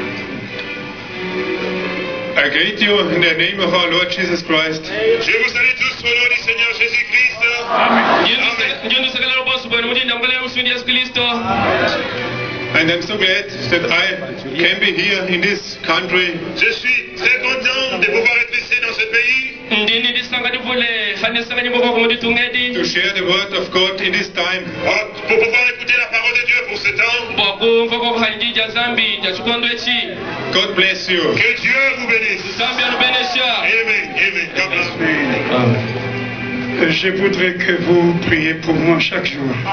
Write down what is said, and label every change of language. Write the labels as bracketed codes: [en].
[en] I greet you in the name of our Lord Jesus Christ. [fr] Je vous salue tous au nom du Seigneur Jésus Christ. [en] Amen. [fr] Dieu nous salue à l'heure où nous sommes en Jésus Christ. [en] And I'm so glad that I can be here in this country. [fr] Je suis très content de pouvoir être ici dans ce pays. [en] To share the word of God in this time. [fr] Pour pouvoir écouter la parole de Dieu pour ce temps. [en] God bless you. [fr] Que Dieu vous bénisse. [en] Amen. Amen. Amen. Amen. [fr] Je voudrais que vous priez pour moi chaque jour.